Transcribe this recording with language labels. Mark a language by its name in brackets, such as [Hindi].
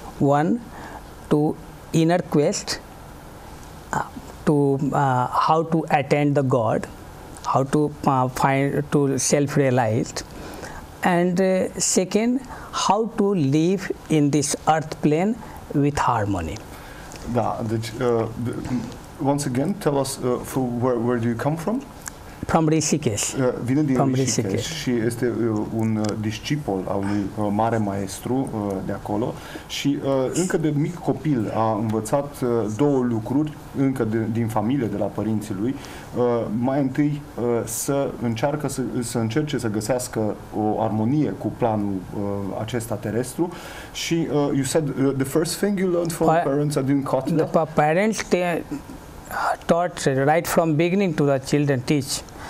[English] One, to inner quest, how to attend the God, how to find, to self-realize. And second, how to live in this earth plane with harmony. [Romanian] Da, deci, [English] once again, tell us where do you come from? From Rishikesh. [Romanian] Vine din Rishikesh și este un discipol al unui mare maestru de acolo și încă de mic copil a învățat două lucruri încă din familie, de la părinții lui. Mai întâi să încerce să găsească o armonie cu planul acesta terestru și [English] you said the first thing you learned from parents, I didn't caught that. The parents taught right from beginning to the children teach.